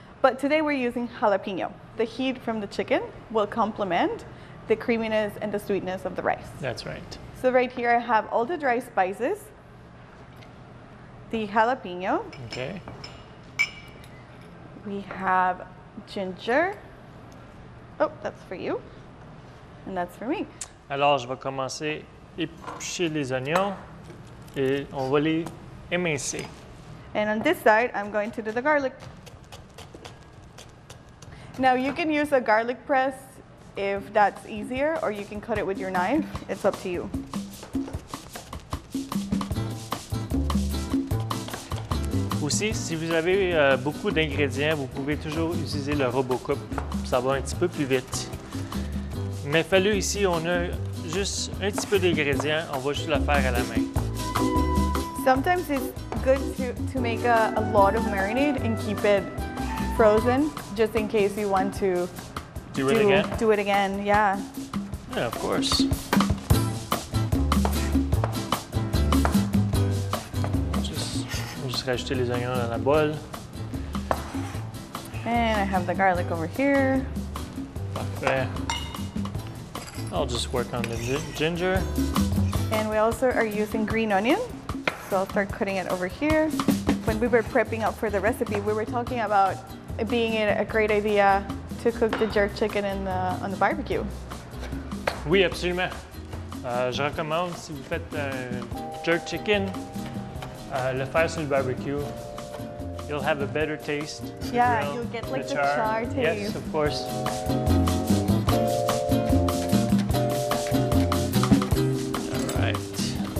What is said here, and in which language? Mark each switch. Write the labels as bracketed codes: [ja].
[en] But today we're using jalapeno. The heat from the chicken will complement the creaminess and the sweetness of the rice. That's right. So right here I have all the dry spices, the jalapeno. Okay. We have ginger. Oh, that's for you, and that's for me. [fr] Alors, je vais commencer à éplucher les oignons, et on va les émincer. [en] And on this side, I'm going to do the garlic. Now, you can use a garlic press if that's easier, or you can cut it with your knife. It's up to you. [fr] Aussi, si vous avez beaucoup d'ingrédients, vous pouvez toujours utiliser le RoboCup. Ça va un petit peu plus vite. Mais fallu ici, on a juste un petit peu d'ingrédients. On va juste le faire à la main. [en] Sometimes it's good to make a lot of marinade and keep it frozen, just in case you want to do it again. Yeah. Yeah, of course. Just [fr] rajouter les oignons dans la bol. [en] And I have the garlic over here. [fr] Parfait. [en] I'll just work on the ginger. And we also are using green onion. So I'll start cutting it over here. When we were prepping up for the recipe, we were talking about it being a great idea to cook the jerk chicken on the barbecue. [fr] Oui, absolument. Je recommande, si vous faites jerk chicken, le faire sur le barbecue. [en] You'll have a better taste. Yeah, you'll get like the char taste. Yes, of course. All right.